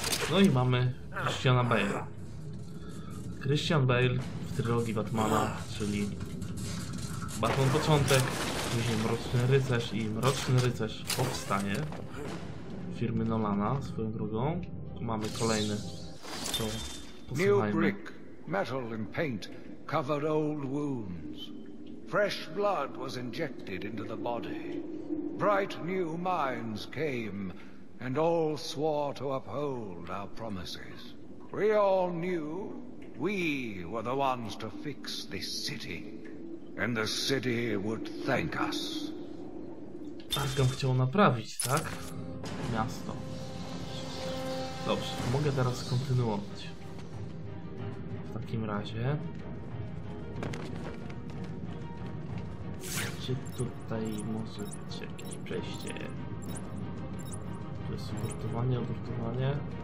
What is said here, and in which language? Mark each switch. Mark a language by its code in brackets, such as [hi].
[pl] No i mamy Christiana Bale'a. Christian Bale w trylogii Batmana, czyli ma ten początek, później Mroczny Rycerz i Mroczny Rycerz powstanie firmy Nolana swoją drogą. Tu mamy kolejny, to posłuchajmy. [en] New brick, metal and paint covered old wounds. Fresh blood was injected into the body. Bright new minds came and all swore to uphold our promises. We all knew we were the ones to fix this city. And the city would thank us. [pl] Arkham chciał naprawić, tak? Miasto. Dobrze, mogę teraz kontynuować. W takim razie... Czy tutaj może być jakieś przejście? To jest obrotowanie, obrotowanie.